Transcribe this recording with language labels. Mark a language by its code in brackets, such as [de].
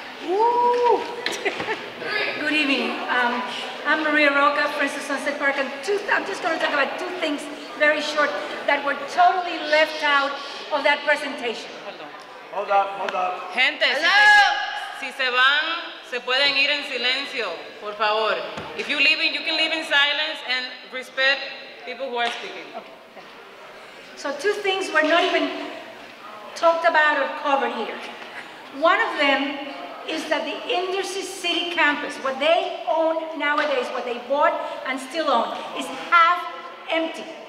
[en] Woo! Good evening. I'm Maria Roca, Prince of Sunset Park, and I'm just going to talk about two things very short that were totally left out of that presentation. Hold up. [es] Gente, [en] hello. [es] Si se van, se pueden ir en silencio, por favor. [en] If you're leaving, you can leave in silence and respect people who are speaking. Okay. So two things were not even talked about or covered here. One of them is that the Industry City campus, what they own nowadays, what they bought and still own, is half empty.